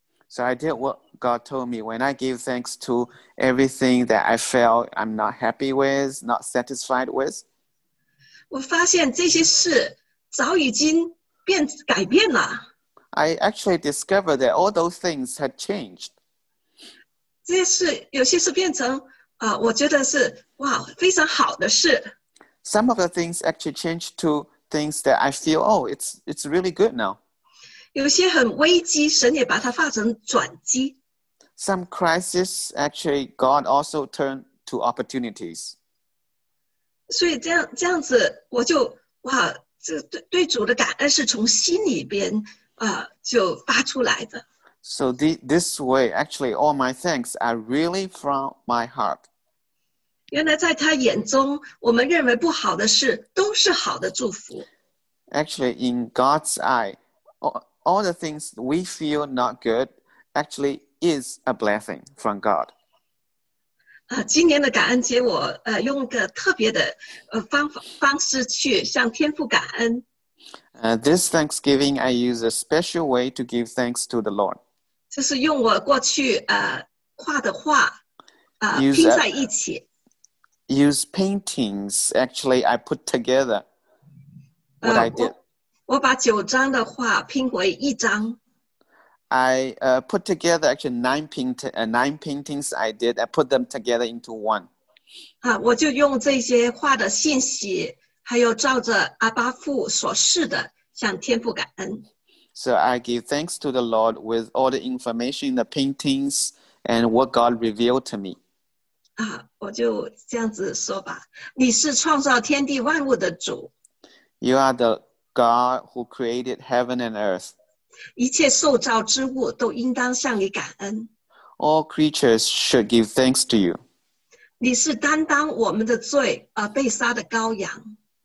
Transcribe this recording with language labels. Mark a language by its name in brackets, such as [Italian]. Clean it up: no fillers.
[English] So I did what God told me. When I give thanks to everything that I felt I'm not happy with, not satisfied with. [Chinese] 我发现这些事早已经改变了。 [English] I actually discovered that all those things had changed. [Chinese] 这些事有些事变成我觉得是哇非常好的事。 [English] Some of the things actually changed to things that I feel, oh, it's really good now. [Chinese] 有些很危机，神也把它化成转机。 [English] Some crisis actually God also turned to opportunities. [Chinese] 所以这样子我就哇这对主的感恩是从心里边就发出来的。 [English] So this way, actually, all my thanks are really from my heart. [Chinese] 原来在他眼中我们认为不好的事都是好的祝福。 [English] Actually, in God's eye, all the things we feel not good actually is a blessing from God. [Chinese] 今年的感恩节我用个特别的方式去向天父感恩。 [English] This Thanksgiving, I use a special way to give thanks to the Lord. [Chinese] 就是用我过去画的画拼在一起。 [English] Use paintings. Actually, I put together what I did. [Chinese] 我把九张的画拼为一张。 [English] I put together actually nine paintings I did. I put them together into one. [Chinese] 我就用这些画的信息，还有照着阿巴父所示的，向天父感恩。 [English] So I give thanks to the Lord with all the information in the paintings and what God revealed to me. [Chinese] 我就这样子说吧。你是创造天地万物的主。 [English] You are the God who created heaven and earth. [Chinese] 一切受造之物都应当向你感恩。 [English] All creatures should give thanks to you. [Chinese] 你是担当我们的罪而被杀的羔羊。